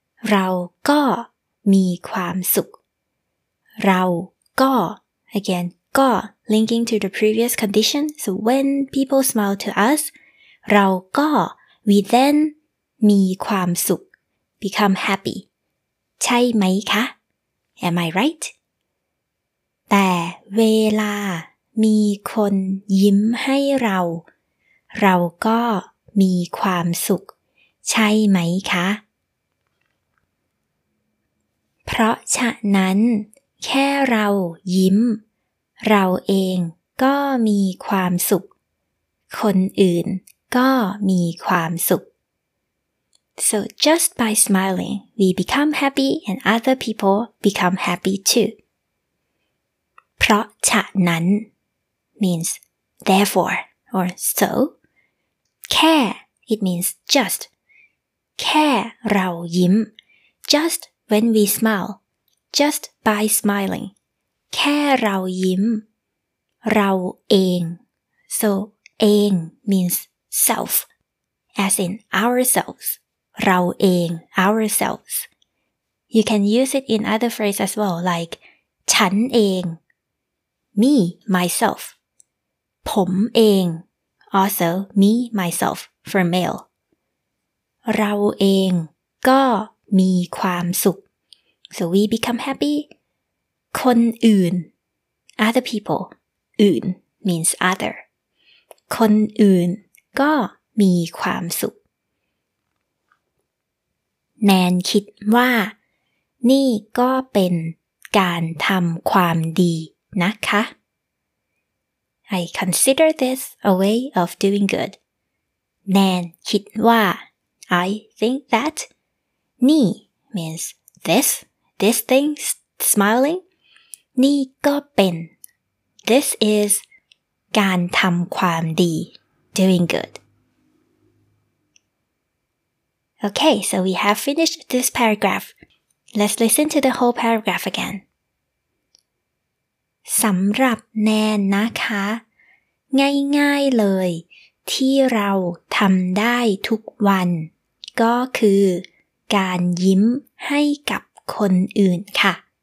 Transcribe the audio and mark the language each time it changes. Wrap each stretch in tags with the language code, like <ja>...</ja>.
<th>เราก็มีความสุขเราก็</th> <en>Again, ก็ linking to the previous condition. So when people smile to us,</en> <th>เราก็</th> <en>We then</en> <th>มีความสุข</th> <en>Become happy.</en> <th>ใช่ไหมคะ</th> <en>Am I right?</en> <th>แต่เวลามีคนยิ้มให้เราเราก็มีความสุขใช่ไหมคะ เพราะฉะนั้นแค่เรายิ้มเราเองก็มีความสุขคนอื่นก็มีความสุข</th> <en>So just by smiling, we become happy and other people become happy too. เพราะฉะนั้น means therefore or so. แค่ it means just.</en> <th>แค่เรายิ้ม</th> <en>just when we smile, just by smiling.</en> <th>แค่เรายิ้มเราเอง</th> <en>so เอง means self, as in ourselves.</en> <th>เราเอง</th> <en>ourselves you can use it in other phrases as well like</en> <th>ฉันเอง</th> <en>me myself</en> <th>ผมเอง</th> <en>also me myself for male</en> <th>เราเองก็มีความสุข</th> <en>so we become happy</en> <th>คนอื่น</th> <en>other people อื่น means other</en> <th>คนอื่นก็มีความสุข แนนคิดว่านี่ก็เป็นการทำความดีนะคะ</th> <en>I consider this a way of doing good.</en> <th>แนนคิดว่า</th> <en>I think that นี่ means this thing smiling</en> <th>นี่ก็เป็น</th> <en>This is</en> <th>การทำความดี</th> <en>doing goodOkay, so we have finished this paragraph. Let's listen to the whole paragraph again.</en> <th>สำหรับแนนนะคะง่ายๆเลยที่เราทำได้ทุกวันก็คือการยิ้มให้กับคนอื่นค่ะ</th>